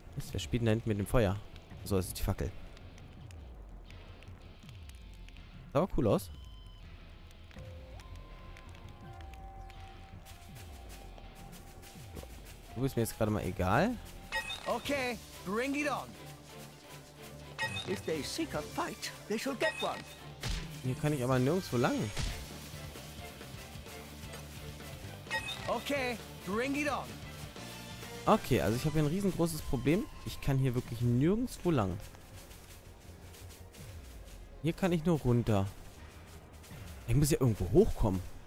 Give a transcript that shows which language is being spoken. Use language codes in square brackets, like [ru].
[de] Wer spielt denn da hinten mit dem Feuer? So, das ist die Fackel. Sah aber cool aus. Du bist mir jetzt gerade mal egal. [en] Okay, bring it on. If they seek a fight, they shall get one. [de] Hier kann ich aber nirgendwo lang. [en] Okay, bring it on. [de] Okay, also ich habe hier ein riesengroßes Problem. Ich kann hier wirklich nirgendwo lang. Hier kann ich nur runter. Ich muss ja irgendwo hochkommen.